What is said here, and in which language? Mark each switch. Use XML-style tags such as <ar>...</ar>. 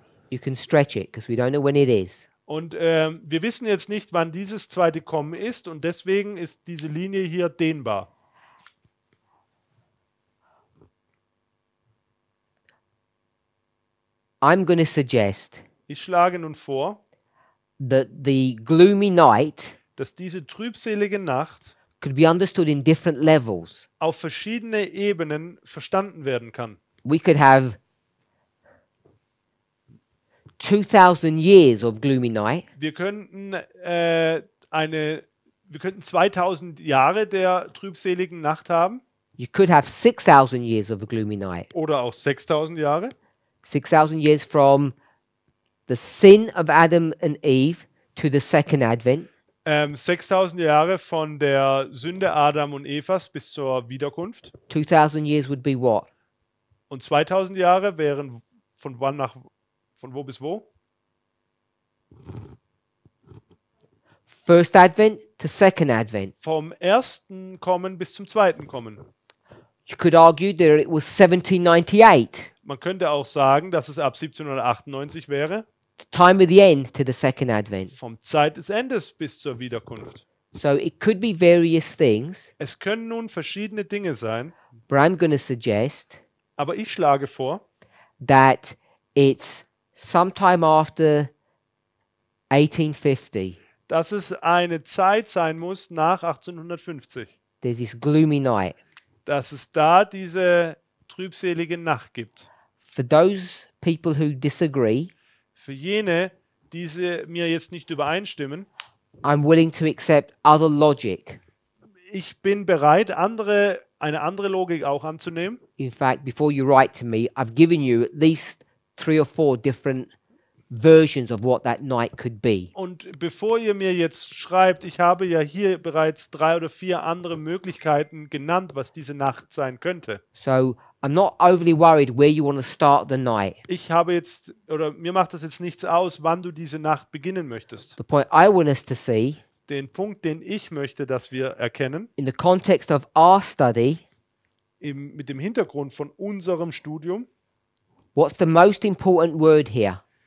<en>You can stretch it, because we don't know when it is.</en> <de>Und wir wissen jetzt nicht, wann dieses zweite Kommen ist, und deswegen ist diese Linie hier dehnbar.</de> <en>I'm gonna suggest.</en> <de>Ich schlage nun vor,</de> <en>that the gloomy night,</en> <de>dass diese trübselige Nacht,</de> <en>could be understood in different levels.</en> <de>Auf verschiedene Ebenen verstanden werden kann.</de> <en>We could have 2000 years of gloomy night.</en> <de>Wir könnten 2000 Jahre der trübseligen Nacht haben.</de> <en>You could have 6000 years of a gloomy night.</en> <de>Oder auch 6000 Jahre.</de> <en>6000 years from the sin of Adam and Eve to the second advent.</en> <de>6000 Jahre von der Sünde Adam und Evas bis zur Wiederkunft.</de> <en>2000 years would be what?</en> <de>Und 2000 Jahre wären von wann nach von wo bis wo?</de> <en>First Advent to Second Advent.</en> <de>Vom ersten Kommen bis zum zweiten Kommen.</de> <en>You could argue that it was 1798.</en> <de>Man könnte auch sagen, dass es ab 1798 wäre.</de> <en>The time of the end to the Second Advent.</en> <de>Vom Zeit des Endes bis zur Wiederkunft.</de> <en>So it could be various things.</en> <de>Es können nun verschiedene Dinge sein.</de> <en>But I'm gonna suggest,</en> <de>aber ich schlage vor,</de> <en>that it's sometime after 1850.</en> <de>Dass es eine Zeit sein muss nach 1850.</de> <en>There's this gloomy night.</en> <de>Dass es da diese trübselige Nacht gibt.</de> <en>For those people who disagree,</en> <de>für jene, die mir jetzt nicht übereinstimmen,</de> <en>I'm willing to accept other logic.</en> <de>Ich bin bereit, eine andere Logik auch anzunehmen.</de> <en>In fact, before you write to me, I've given you at least 3 or 4 different versions of what that night could be.</en> <de>Und bevor ihr mir jetzt schreibt, ich habe ja hier bereits 3 oder 4 andere Möglichkeiten genannt, was diese Nacht sein könnte.</de> <en>So, I'm not overly worried where you want to start the night.</en> <de>Ich habe jetzt, oder mir macht das jetzt nichts aus, wann du diese Nacht beginnen möchtest.</de> <en>The point I want us to see,</en> <de>den Punkt, den ich möchte, dass wir erkennen,</de> <en>in the context of our study,</en> <de>mit dem Hintergrund von unserem Studium,</de> <en>what's the most important word here?</en>